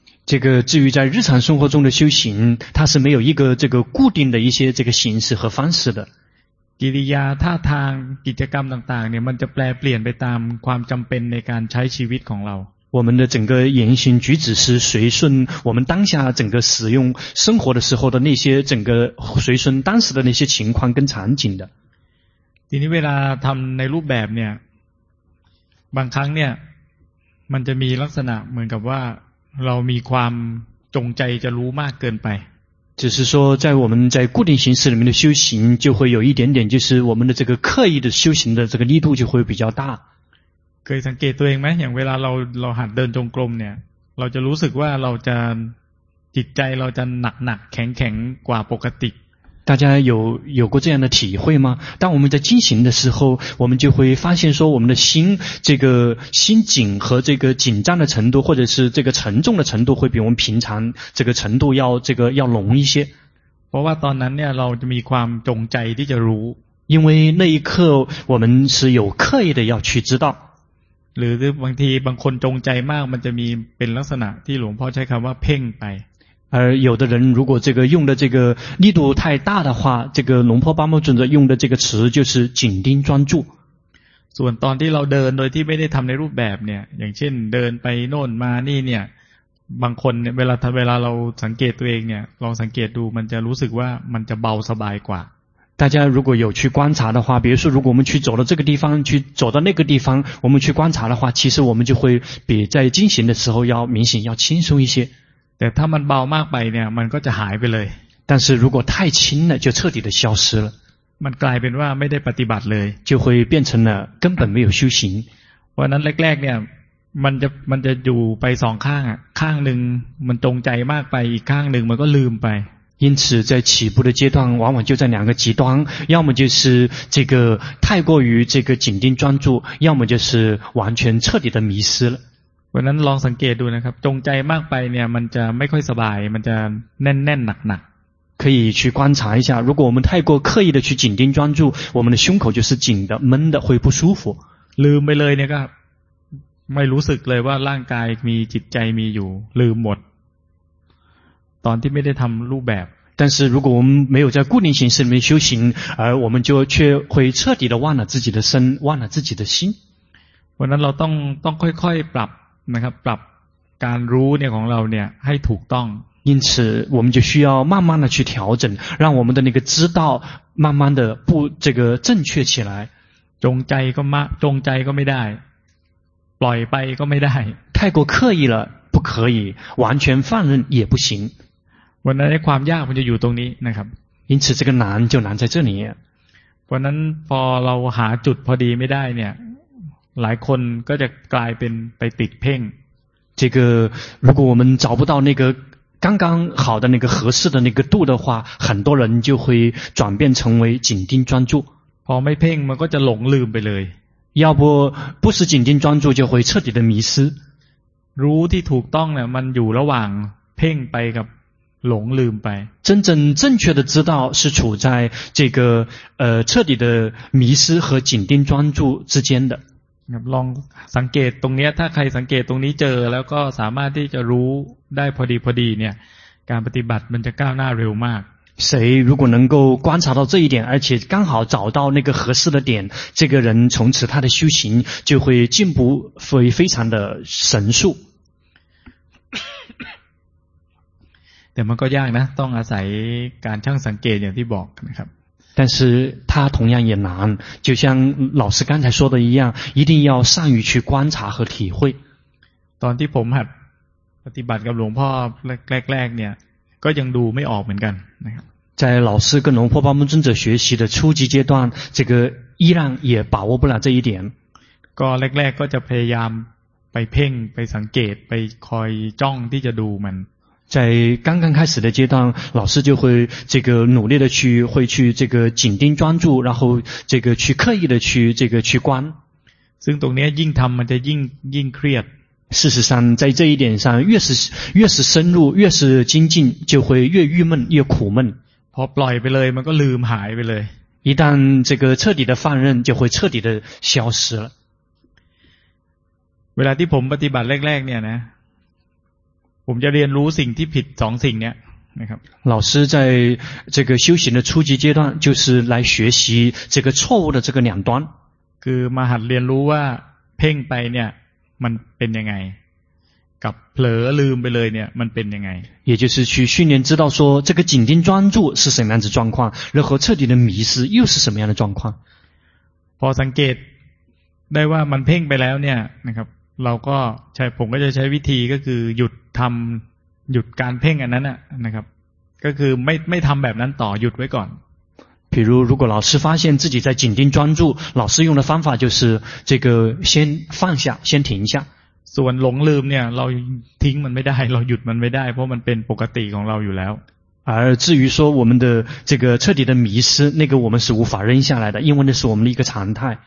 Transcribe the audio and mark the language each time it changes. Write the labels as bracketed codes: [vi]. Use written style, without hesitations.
[zh] 这个至于在日常生活中的修行它是没有一个这个固定的一些这个形式和方式的 [th] กิริยาท่าทางกิจกรรมต่างๆเนี่ยมันจะแปลเปลี่ยนไปตามความจำเป็นในการใช้ชีวิตของเรา [zh] 我们的整个言行举止是随顺我们当下整个使用生活的时候的那些整个随顺当时的那些情况跟场景的 [th] ทีนี้เวลาทำในรูปแบบเนี่ยบางครั้งเนี่ยมันจะมีลักษณะเหมือนกับว่าเรามีความจงใจจะรู้มากเกินไป [zh] 只是说在我们在固定形式里面的修行就会有一点点就是我们的这个刻意的修行的这个力度就会比较大 [th] เคยสังเกตตัวเองไหมอย่างเวลาเราหัดเดินจงกรมเนี่ยเราจะรู้สึกว่าเราจะจิตใจเราจะหนักแข็งกว่าปกติ [zh] 大家有过这样的体会吗？当我们在进行的时候，我们就会发现说我们的心这个心紧和这个紧张的程度，或者是这个沉重的程度，会比我们平常这个程度要浓一些。 [th] เพราะว่าตอนนั้นเนี่ยเราจะมีความจงใจที่จะรู้ [zh] 因为那一刻我们是有刻意的要去知道。 [th] หรือบางทีบางคนจงใจมากมันจะมีเป็นลักษณะที่หลวงพ่อใช้คำว่าเพ่งไป [zh] 而有的人如果这个用的这个力度太大的话这个龙婆巴木准则用的这个词就是紧盯专注 [th] ส่วนตอนที่เราเดินโดยที่ไม่ได้ทำในรูปแบบเนี่ยอย่างเช่นเดินไปโน่นมานี่เนี่ยบางคนเวลาเราสังเกตตัวเองเนี่ยลองสังเกตดูมันจะรู้สึกว่ามันจะเบาสบายกว่า [zh] 大家如果有去观察的话比如说如果我们去走到这个地方去走到那个地方我们去观察的话其实我们就会比在进行的时候要明显要轻松一些 [th] แต่ถ้ามันเบามากไปเนี่ยมันก็จะหายไปเลย [zh] 但是如果太轻了就彻底的消失了 [th] มันกลายเป็นว่าไม่ได้ปฏิบัติเลย [zh] 就会变成了根本没有修行 [th] เพราะนั้นแรกๆเนี่ยมันจะอยู่ไปสองข้างอ่ะข้างหนึ่งมันจงใจมากไปอีกข้างหนึ่งมันก็ลืมไป [zh] 因此在起步的阶段往往就在两个极端要么就是这个太过于这个紧盯专注要么就是完全彻底的迷失了 [th] เพราะนั้นลองสังเกตดูนะครับจงใจมากไปเนี่ยมันจะไม่ค่อยสบายมันจะแน่นๆหนัก [zh] ๆ可以去观察一下如果我们太过刻意的去紧盯专注我们的胸口就是紧的闷的会不舒服 [th] ลืมไปเลยเนี่ยก็ไม่รู้สึกเลยว่าร่างกายมีจิตใจมีอยู่ลืมหมดตอนที่ไม่ได้ทำรูปแบบ [zh] 但是如果我们没有在固定形式里面修行而我们就却会彻底的忘了自己的身忘了自己的心 [th] วันนั้นเราต้องค่อยๆปรับนะครับปรับการรู้เนี่ยของเราเนี่ยให้ถูกต้อง [zh] 因此我们就需要慢慢的去调整让我们的那个知道慢慢的不这个正确起来 [th] จงใจก็มาจงใจก็ไม่ได้ปล่อยไปก็ไม่ได้ [zh] 太过刻意了不可以完全放任也不行 [th] วันนั้นความยากมันจะอยู่ตรงนี้นะครับ [zh] 因此这个难就难在这里 [th] วันนั้นพอเราหาจุดพอดีไม่ได้เนี่ยหลายคนก็จะกลายเป็นไปติดเพ่ง [zh] 这个如果我们找不到那个刚刚好的那个合适的那个度的话很多人就会转变成为紧盯专注 [th] พอไม่เพ่งมันก็จะหลงลืมไปเลย [zh] 要不是紧盯专注就会彻底的迷失 [th] รู้ที่ถูกต้องเนี่ยมันอยู่ระหว่างเพ่งไปกับหลงลืมไป [zh] 真正正确的知道是处在这个彻底的迷失和紧盯专注之间的 [th] ลองสังเกตตรงนี้ถ้าใครสังเกตตรงนี้เจอแล้วก็สามารถที่จะรู้ได้พอดีเนี่ยการปฏิบัติมันจะก้าวหน้าเร็วมาก [zh] 谁如果能够观察到这一点而且刚好找到那个合适的点这个人从此他的修行就会进步会非常的神速 [th] แต่มันก็ยากนะต้องอาศัยการช่างสังเกตอย่างที่บอกนะครับ [zh] 但是它同样也难就像老师刚才说的一样一定要善于去观察和体会 [th] ตอนที่ผมหัดปฏิบัติกับหลวงพ่อแรกๆเนี่ยก็ยังดูไม่ออกเหมือนกันนะครับ [zh] 在老师跟龙婆巴木尊者学习的初级阶段这个依然也把握不了这一点 [th] ก็แรกๆก็จะพยายามไปเพ่งไปสังเกตไปคอยจ้องที่จะดูมัน [zh] 在刚刚开始的阶段老师就会这个努力的去会去这个紧盯专注然后这个去刻意的去这个去观 [th] ซึ่งตรงนี้ยิ่งทำมันจะยิ่งเครียด [zh] 事实上在这一点上越是深入越是精进就会越郁闷越苦闷 [th] พอปล่อยไปเลยมันก็ลืมหายไปเลย [zh] 一旦这个彻底的放任就会彻底的消失了 [th] เวลาที่ผมปฏิบัติแรกๆเนี่ยนะผมจะเรียนรู้สิ่งที่ผิดสองสิ่งเนี้ยนะครับ [zh] 老师在这个修行的初级阶段就是来学习这个错误的这个两端 [th] คือมาหัดเรียนรู้ว่าเพ่งไปเนี่ยมันเป็นยังไงกับเผลอลืมไปเลยเนี่ยมันเป็นยังไง [zh] 也就是去训练知道说这个紧盯专注是什么样子状况然后彻底的迷失又是什么样的状况 [th] พอสังเกตได้ว่ามันเพ่งไปแล้วเนี่ยนะครับเราก็ใช่ผมก็จะใช้วิธีก็คือหยุดทำหยุดการเพ่งอันนั้นนะครับก็คือไม่ทำแบบนั้นต่อหยุดไว้ก่อน [zh] 比如如果老师发现自己在紧盯专注老师用的方法就是这个先放下先停一下 [th] ส่วนหลงลืมเนี่ยเราทิ้งมันไม่ได้เราหยุดมันไม่ได้เพราะมันเป็นปกติของเราอยู่แล้ว [zh] 而至于说我们的这个彻底的迷失那个我们是无法扔下来的因为那是我们的一个常态